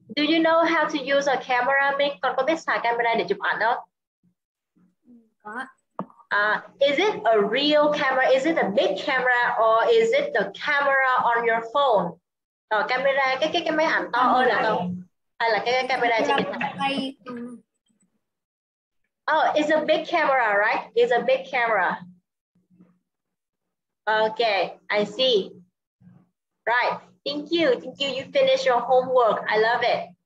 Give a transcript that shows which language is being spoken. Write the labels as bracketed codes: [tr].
[en] Do you know how to use a camera, Mick? [vi] Con có biết xài camera để chụp ảnh không? [en] Is it a real camera? Is it a big camera or is it the camera on your phone? [vi] Camera, cái máy ảnh to hơn là không? Hay là cái camera trên điện thoại? [en] Oh, it's a big camera, right? It's a big camera. Okay, I see. Right. Thank you, you finish your homework. I love it.